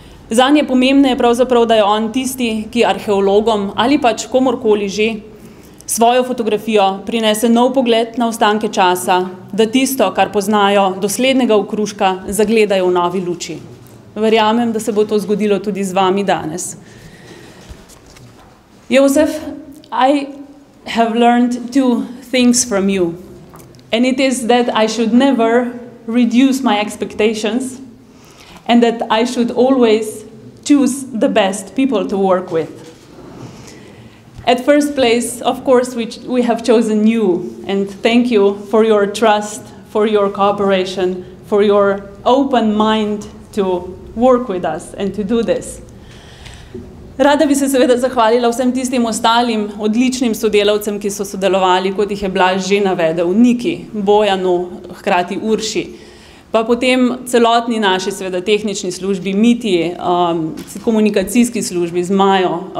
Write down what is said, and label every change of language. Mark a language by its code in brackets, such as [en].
[sl] Zanj je pomembno pravzaprav, da je on tisti, ki arheologom ali pač komorkoli že svojo fotografijo prinese nov pogled na ostanke časa, da tisto, kar poznajo doslednega okruška, zagledajo v novi luči. Verjamem, da se bo to zgodilo tudi z vami danes. [en] Jozef, I have learned 2 things from you, and it is that I should never reduce my expectations and that I should always choose the best people to work with. At first place, of course, we have chosen you, and thank you for your trust, for your cooperation, for your open mind to work with us and to do this. [sl] Rada bi se seveda zahvalila vsem tistim ostalim odličnim sodelavcem, ki so sodelovali, kot jih je Blaž že navedel, Niki, Bojanu, hkrati Urši, pa potem celotni naši seveda tehnični službi, Miti, komunikacijski službi z Majo.